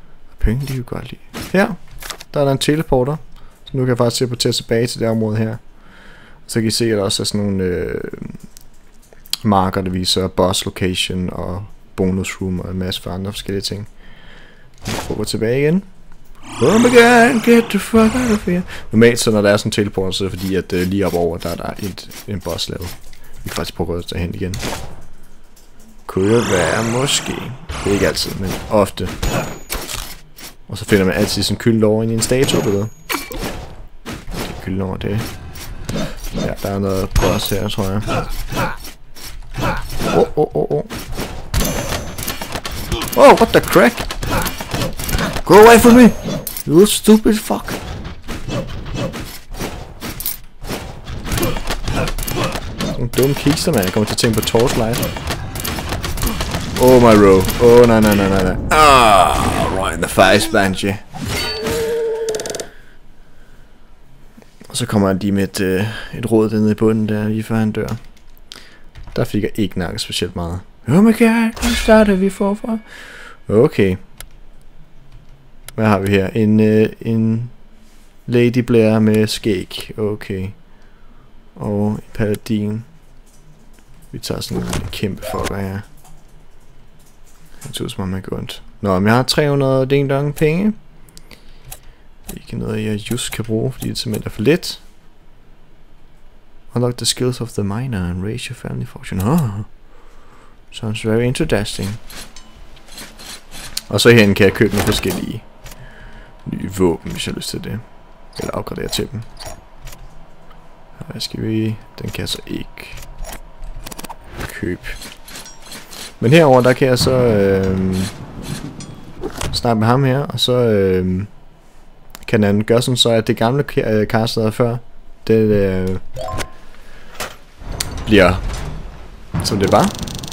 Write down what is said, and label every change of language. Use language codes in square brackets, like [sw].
[da] Og penge, de kan godt lide. Her, der er der en teleporter. Så nu kan jeg faktisk teleportere tilbage til det område her. Så kan I se, at der også er sådan nogle marker, der viser boss location og bonus room og en masse for andre forskellige ting. Nu prøver jeg tilbage igen. [en] Oh my god, get the fuck out of here. [da] Normalt så, når der er sådan en teleporter, så er det fordi, at lige op over, der er der en boss level. Vi kan faktisk prøve at tage hen igen. Kunne jo være, måske. Det er ikke altid, men ofte. Og så finder man altid sådan en kyldnår ind i en statue, ved du. Det er kyldnår, det. Ja, der er noget boss her, tror jeg. [en] Oh, what the crack? Go away from me! You stupid fuck! [da] Sådan en dum kister, man. Jeg kommer til at tænke på Torchlight. [en] Oh my bro. [da] Oh nej nej nej nej nej. [en] Ah, right in the face, Banshee. [da] Og så kommer han lige med et råd der nede i bunden der, lige før han dør. Der fik jeg ikke nakket specielt meget. [en] Oh my god, [da] nu starter vi forfra. Okay. Hvad har vi her? En Lady Blair med skæg. Okay. Og en paladin. Vi tager sådan en kæmpe fucker her. Det ser ud som om, jeg går ondt. Nå, men jeg har 300 ding-dong penge. Det er ikke noget, jeg just kan bruge, fordi det simpelthen er for lidt. [en] Unlock the skills of the miner and raise your family fortune. Oh, sounds very interesting. [da] Og så herinde kan jeg købe nogle forskellige nye våben, hvis jeg har lyst til det. Eller opgradere til dem. Hvad skal vi? Den kan jeg så ikke købe. Men herover der kan jeg så snakke med ham her, og så kan han gøre sådan så, at det gamle castle der før, det bliver som det var.